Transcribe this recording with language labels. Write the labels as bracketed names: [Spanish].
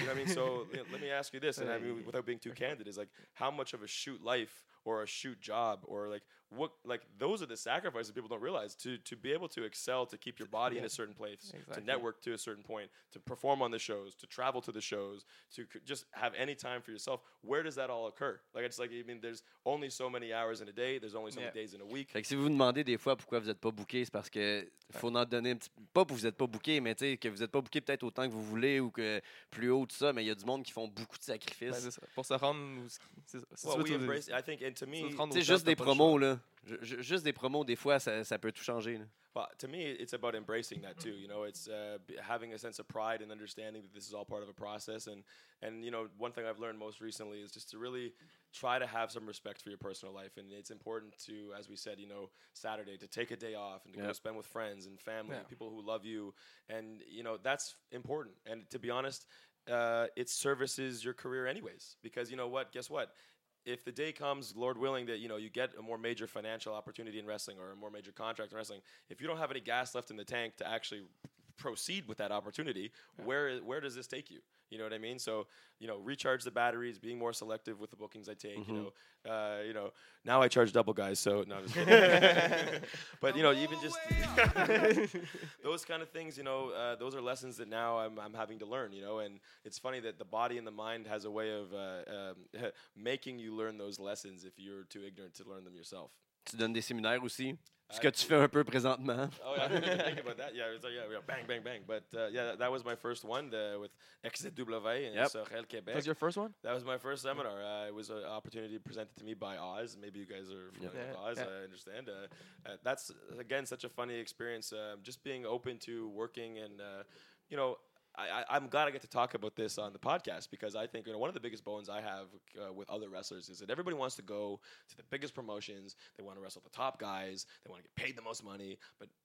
[English] You know what I mean? So let me ask you this, and I mean, without being too candid, is like, how much of a shoot life or a shoot job or like, what, like, those are the sacrifices people don't realize to be able to excel, to keep your body in a certain place, to network to a certain point, to perform on the shows, to travel to the shows, to just have any time for yourself. Where does that all occur? Like, it's like, I mean, there's only so many hours in a day. There's only so many days in a week. [French] Fait que si vous vous demandez des fois pourquoi vous n'êtes pas booké, c'est parce que faut en donner un petit peu. Pas que vous n'êtes pas booké, mais tu sais, que vous n'êtes pas booké peut-être autant que vous voulez ou que plus haut de ça, mais il y a du monde qui font beaucoup de sacrifices. Ben, pour se rendre. C'est juste des promos, là. Juste des promos, des fois, ça peut tout changer. [English] Well, to me, it's about embracing that too. You know, it's having a sense of pride and understanding that this is all part of a process. And you know, one thing I've learned most recently is just to really try to have some respect for your personal life. And it's important to, as we said, you know, Saturday, to take a day off and to go spend with friends and family and people who love you. And, you know, that's important. And to be honest, it services your career anyways. Because, you know what, guess what? If the day comes, Lord willing, that, you know, you get a more major financial opportunity in wrestling or a more major contract in wrestling, if you don't have any gas left in the tank to actually proceed with that opportunity, where does this take you? You know what I mean? So, you know, recharge the batteries, being more selective with the bookings I take, you know, now I charge double, guys. So, no, I'm just kidding. But, you know, even just those kind of things, you know, those are lessons that now I'm having to learn, you know, and it's funny that the body and the mind has a way of making you learn those lessons if you're too ignorant to learn them yourself. [French] Tu donnes des séminaires aussi, ce que tu fais un peu présentement. [English] Oh, yeah, I didn't think about that. Yeah, it's like, bang, bang, bang. But, yeah, that was my first one with XZW and Sorel Québec. That was your first one? That was my first seminar. It was an opportunity presented to me by Oz. Maybe you guys are familiar with Oz, I understand. That's, again, such a funny experience, just being open to working and, you know, I'm glad I get to talk about this on the podcast because I think, you know, one of the biggest bones I have with other wrestlers is that everybody wants to go to the biggest promotions. They want to wrestle the top guys. They want to get paid the most money. But